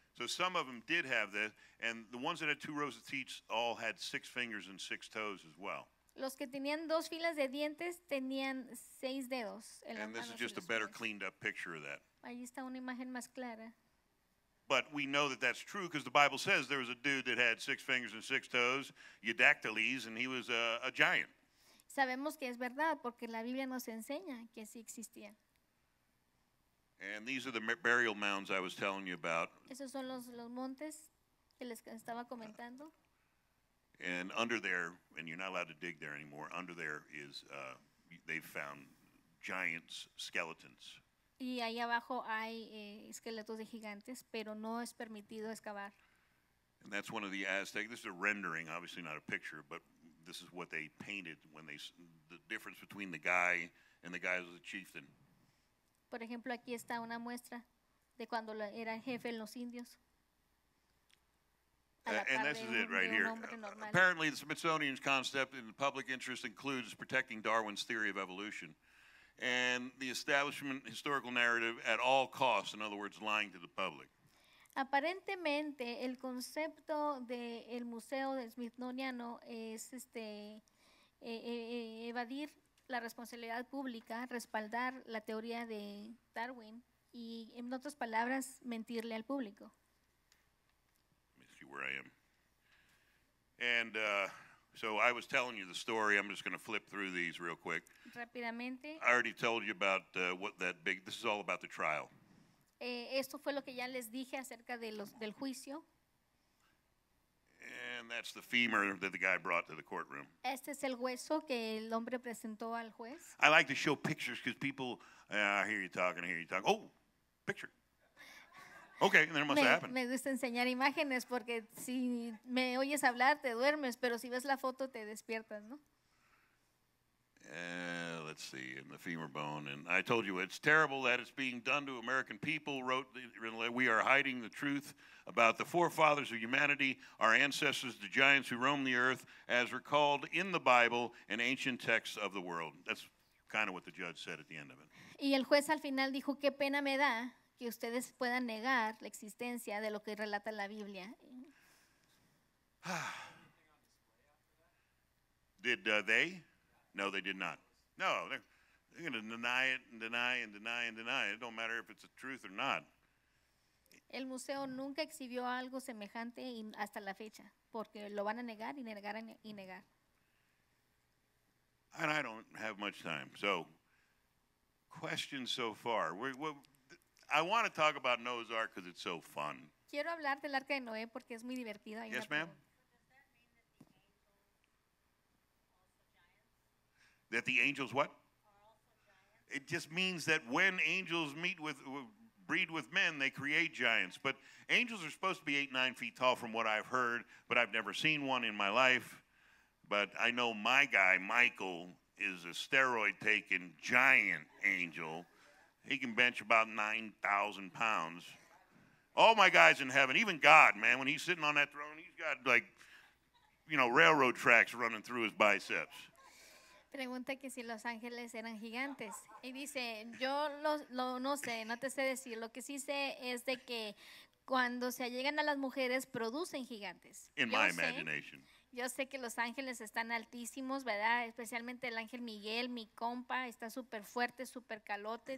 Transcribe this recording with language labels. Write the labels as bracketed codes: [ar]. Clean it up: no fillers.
[en] So some of them did have this, and the ones that had two rows of teeth all had six fingers and six toes as well. [es] Los que tenían dos filas de dientes tenían seis dedos. [en] And this is just a better cleaned up picture of that. [es] Ahí está una imagen más clara. [en] But we know that that's true because the Bible says there was a dude that had six fingers and six toes, Eudactyles, and he was a giant. [es] Sabemos que es verdad porque la Biblia nos enseña que sí existía. [en] And these are the burial mounds I was telling you about. [es] Esos son los montes que les estaba comentando. [en] And under there, and you're not allowed to dig there anymore, under there is, they've found giants, skeletons. [es] Y ahí abajo hay esqueletos de gigantes, pero no es permitido excavar. [en] And that's one of the Aztec, this is a rendering, obviously not a picture, but this is what they painted when they, the difference between the guy and the guy who was a chieftain. [es] Por ejemplo, aquí está una muestra de cuando era jefe en los indios. [en] And this is it right here. Apparently, the Smithsonian's concept in the public interest includes protecting Darwin's theory of evolution and the establishment historical narrative at all costs, in other words, lying to the public. [es] Aparentemente, el concepto del museo del Smithsoniano es evadir la responsabilidad pública, respaldar la teoría de Darwin y, en otras palabras, mentirle al público. [en] Where I am. And so I was telling you the story. I'm just going to flip through these real quick. [es] Rápidamente. [en] I already told you about what that big, this is all about the trial. [es] Esto fue lo que ya les dije acerca de los, del juicio. [en] And that's the femur that the guy brought to the courtroom. [es] Este es el hueso que el hombre presentó al juez. [en] I like to show pictures because people, I hear you talking, I hear you talking. Oh, picture. Okay, then it must happen. [es] Me gusta enseñar imágenes porque si me oyes hablar te duermes, pero si ves la foto te despiertas, ¿no? [en] Let's see, and the femur bone, and I told you it's terrible that it's being done to American people. Wrote, we are hiding the truth about the forefathers of humanity, our ancestors, the giants who roamed the earth, as recalled in the Bible and ancient texts of the world. That's kind of what the judge said at the end of it. [es] Y el juez al final dijo, qué pena me da que ustedes puedan negar la existencia de lo que relata la Biblia. [en] Did they? No, they did not. No, they're going to deny it and deny and deny and deny. It don't matter if it's the truth or not. [es] El museo nunca exhibió algo semejante hasta la fecha, porque lo van a negar y negar y negar. [en] And I don't have much time. So, questions so far. I want to talk about Noah's Ark because it's so fun. [es] Quiero hablar del Arca de Noé porque es muy divertido. [en] Yes, ma'am. So does that mean that the angels what? Are also giants? It just means that when angels breed with men, they create giants. But angels are supposed to be 8-9 feet tall from what I've heard, but I've never seen one in my life. But I know my guy, Michael, is a steroid-taking giant angel. He can bench about 9,000 pounds. All my guys in heaven, even God, man, when he's sitting on that throne, he's got, like, you know, railroad tracks running through his biceps. [es] Pregunta que si los ángeles eran gigantes. Y dice, yo lo no sé, no te sé decir. Lo que sí sé es de que cuando se allegan a las mujeres, producen gigantes. [en] In my imagination. [es] Yo sé que los ángeles están altísimos, ¿verdad? Especialmente el ángel Miguel, mi compa, está súper fuerte, súper calote.